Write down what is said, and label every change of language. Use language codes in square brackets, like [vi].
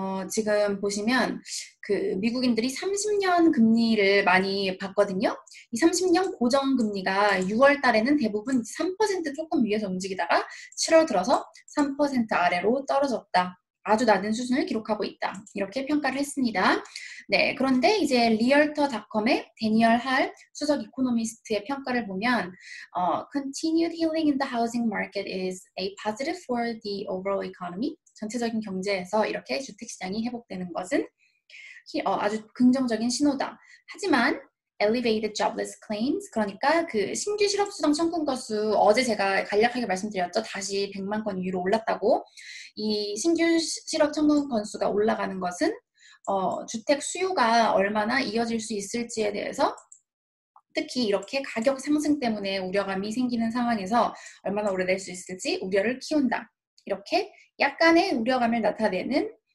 [ko] 지금 보시면 그 미국인들이 30년 금리를 많이 봤거든요. 이 30년 고정 금리가 6월 달에는 대부분 3% 조금 위에서 움직이다가 7월 들어서 3% 아래로 떨어졌다. 아주 낮은 수준을 기록하고 있다. 이렇게 평가를 했습니다. 네, 그런데 이제 리얼터닷컴의 대니얼 할 수석 이코노미스트의 평가를 보면 [en] Continued healing in the housing market is a positive for the overall economy. [ko] 전체적인 경제에서 이렇게 주택시장이 회복되는 것은 아주 긍정적인 신호다. 하지만 [en] Elevated jobless claims, [ko] 그러니까 그 신규 실업수당 청구 건수, 어제 제가 간략하게 말씀드렸죠. 다시 100만 건 위로 올랐다고. 이 신규 실업 청구 건수가 올라가는 것은 주택 수요가 얼마나 이어질 수 있을지에 대해서 특히 이렇게 가격 상승 때문에 우려감이 생기는 상황에서 얼마나 오래 될수 있을지 우려를 키운다. 이렇게 약간의 우려감을 나타내는